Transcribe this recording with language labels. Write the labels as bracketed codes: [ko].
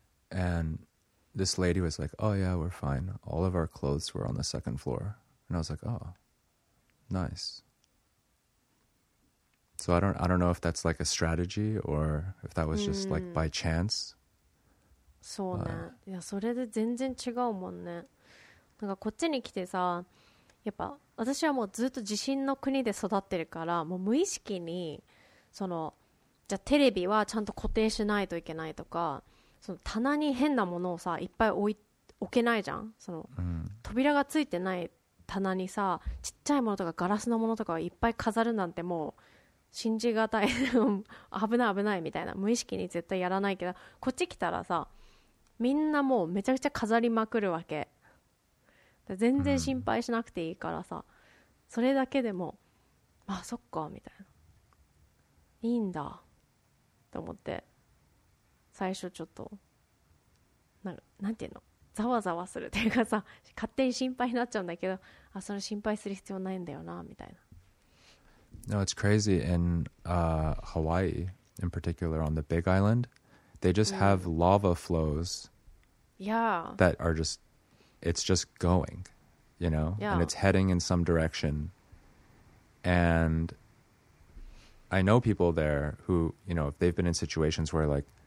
[en] And this lady was like, oh, yeah, we're fine. All of our clothes were on the second floor. And I was like, oh, nice. So I don't know if that's like a strategy or if that was just like by chance. [ja] そうね。いや、それで全然違うもんね。なんかこっちに来てさ、やっぱ私はもうずっと地震の国で育ってるから、もう無意識にそのじゃテレビはちゃんと固定しないといけないとか、その棚に変なものをさいっぱい置けないじゃん。その扉がついてない棚にさ、ちっちゃいものとかガラスのものとかをいっぱい飾るなんてもう信じがたい危ない危ないみたいな、無意識に絶対やらないけど、こっち来たらさ、みんなもうめちゃくちゃ飾りまくるわけ。全然心配しなくていいからさ、それだけでも、あ、そっかみたいな、いいんだと思って、最初ちょっとなんていうの、ざわざわするっていうかさ、勝手に心配になっちゃうんだけど、あ、それ心配する必要ないんだよなみたいな。 [en] No, it's crazy in Hawaii, in particular on the Big Island, they just have lava flows that are justIt's just going, you know? Yeah. And it's heading in some direction. And I know people there who, you know, if they've been in situations where, like,